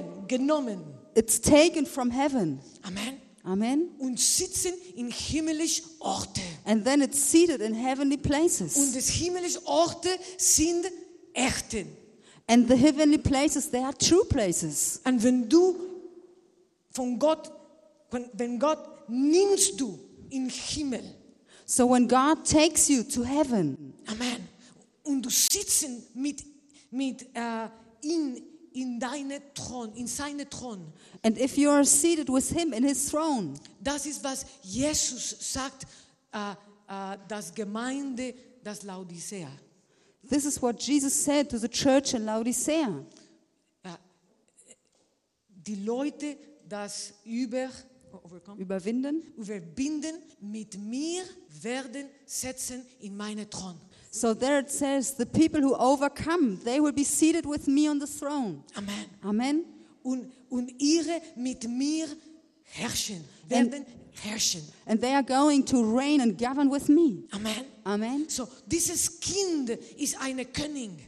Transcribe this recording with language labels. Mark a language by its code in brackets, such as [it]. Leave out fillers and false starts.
[de] Genommen. [en] It's taken from heaven. Amen. [de] Amen. Und sitzen in himmlischen Orte. [en] And then it's seated in heavenly places. [de] Und das himmlische Orte sind Erden. [en] And the heavenly places, they are true places. [de] Und wenn du von Gott, wenn Gott nimmst du in Himmel. [en] So when God takes you to heaven. Amen. [de] Und du sitzen in deine Thron, in seine Thron. [en] And if you are seated with him in his throne. [de] Das ist was Jesus sagt, das Gemeinde, das Laodicea. [en] This is what Jesus said to the church in Laodicea. [de] Die Leute, das überwinden mit mir, werden setzen in meine Thron. [en] So there it says, the people who overcome, they will be seated with me on the throne. Amen. [de] Amen. Und ihre mit mir herrschen, werden herrschen. [en] And they are going to reign and govern with me. Amen. [de] Amen. So dieses Kind ist eine König.